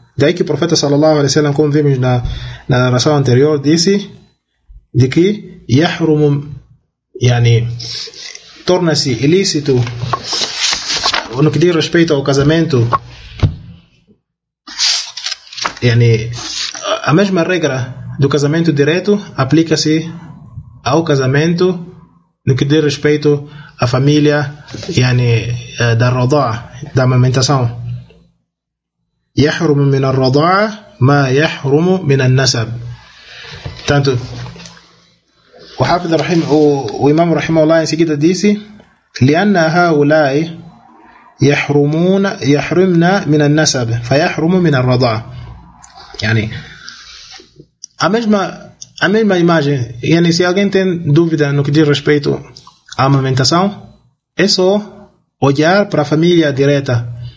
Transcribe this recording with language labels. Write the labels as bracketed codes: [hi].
[pt] Daí que o profeta sallallahu alaihi wasallam, como vimos na narração anterior, disse de que yahrum, yani, torna-se ilícito no que diz respeito ao casamento, yani, a mesma regra do casamento direto aplica-se ao casamento no que diz respeito à família, yani, da radaa, da amamentação. [ar] يحرم من الرضاعة ما يحرم من النسب. [pt] Tanto o Hafiz Rahim, o Imam Rahim Allah, em seguida disse: [ar] لأن هؤلاء يحرمون يحرمنا من النسب فيحرم من الرضاعة. [pt] Yani, a mesma imagem, yani, se alguém tem dúvida no que diz respeito à amamentação, é só olhar para a família direta.